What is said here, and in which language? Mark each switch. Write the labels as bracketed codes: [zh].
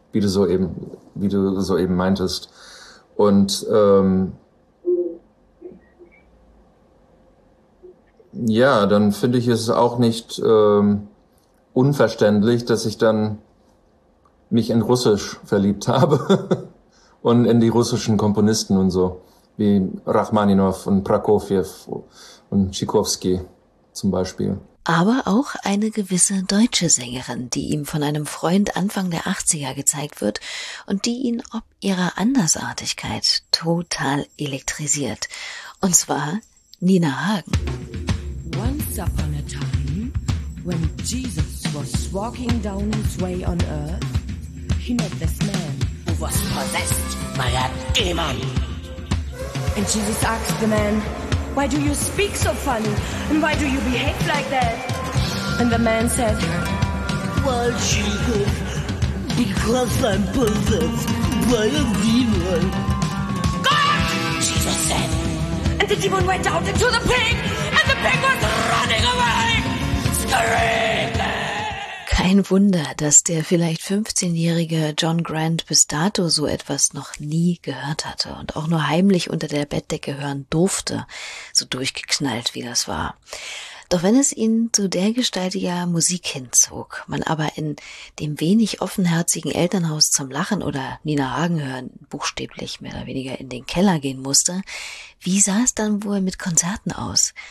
[de] Wie du so eben meintest. Und dann finde ich es auch nicht unverständlich, dass ich dann mich in Russisch verliebt habe und in die russischen Komponisten und so, wie Rachmaninow und Prokofjew und Tschaikowski zum Beispiel. aber auch eine gewisse deutsche Sängerin, die ihm von einem Freund Anfang der 80er gezeigt wird und die ihn ob ihrer Andersartigkeit total elektrisiert. Und zwar Nina Hagen. [en] Once upon a time, when Jesus was walking down his way on earth, he met this man who was possessed by a demon. And Jesus asked the man, why do you speak so funny? And why do you behave like that? And the man said, well, Jesus, because I'm possessed by a demon. God! Jesus said. And the demon went out into the pig, and the pig was running away, screaming. [de] Kein Wunder, dass der vielleicht 15-jährige John Grant bis dato so etwas noch nie gehört hatte und auch nur heimlich unter der Bettdecke hören durfte, so durchgeknallt wie das war. Doch wenn es ihn zu der Gestalt ja Musik hinzog, man aber in dem wenig offenherzigen Elternhaus zum Lachen oder Nina Hagen hören buchstäblich mehr oder weniger in den Keller gehen musste, wie sah es dann wohl mit Konzerten aus?